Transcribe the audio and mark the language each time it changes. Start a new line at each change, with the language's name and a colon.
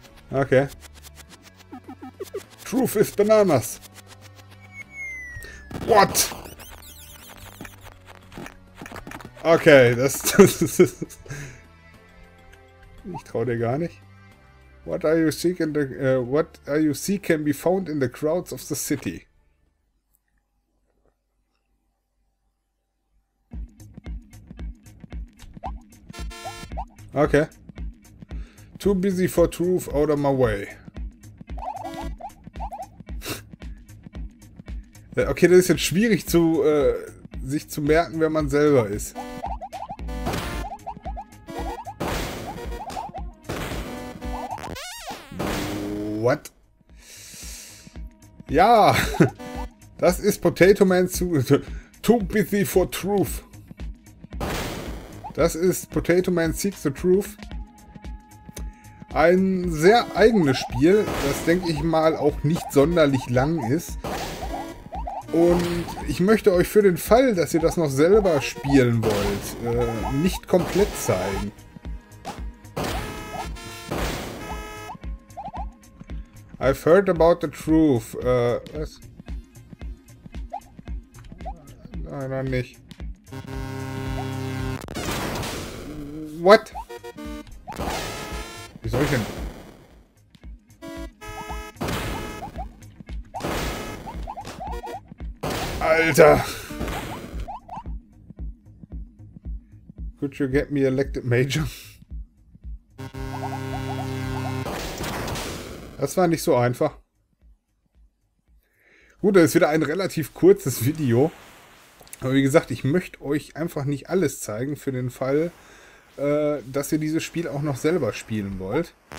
English: Okay. Truth is bananas. What?
German: Okay, ich trau dir gar nicht.
English: What are you seeking? What are you seeking can be found in the crowds of the city. Okay. Too busy for truth, out of my way.
German: Okay, das ist jetzt schwierig zu sich zu merken, wer man selber ist. What? Ja, das ist Potato Man zu Too Busy for Truth. Das ist Potato Man Seeks the Truth. Ein sehr eigenes Spiel, das denke ich mal auch nicht sonderlich lang ist. Und ich möchte euch für den Fall, dass ihr das noch selber spielen wollt, nicht komplett zeigen.
English: I've heard about the truth.
German: Was? Nein, nein, nicht.
English: What?
German: Wie soll ich denn? Alter!
English: Could you get me elected major?
German: Das war nicht so einfach. Gut, das ist wieder ein relativ kurzes Video. Aber wie gesagt, ich möchte euch einfach nicht alles zeigen für den Fall, dass ihr dieses Spiel auch noch selber spielen wollt.